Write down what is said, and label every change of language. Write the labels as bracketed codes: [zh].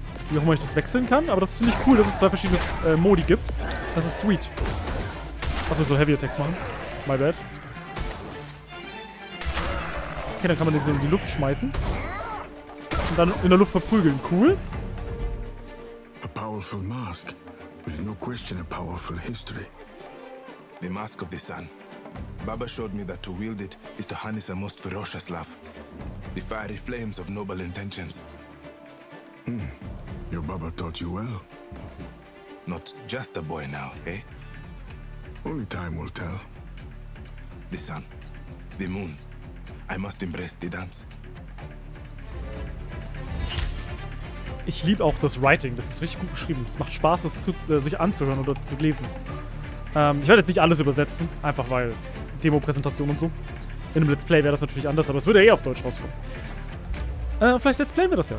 [de] Wie auch immer ich das wechseln kann, aber das finde ich cool, dass es zwei verschiedene Modi gibt. Das ist sweet. Achso, so Heavy Attacks machen. [en] My bad. [de] Okay, dann kann man den so in die Luft schmeißen. Und dann in der Luft verprügeln. Cool. [en] A powerful mask. With no question a powerful history. The mask of the sun. Baba showed me that to wield it is to harness a most ferocious love. The fiery flames of noble intentions. Your Baba taught you well. Not just a boy now, eh? Only time will tell. The sun, the moon. I must embrace the dance. [de] Ich liebe auch das Writing. Das ist richtig gut geschrieben. Es macht Spaß, das zu, sich anzuhören oder zu lesen. Ich werde jetzt nicht alles übersetzen, einfach weil Demo-Präsentation und so. In einem Let's Play wäre das natürlich anders, aber es würde ja eh auf Deutsch rauskommen. Vielleicht Let's Playen wir das ja.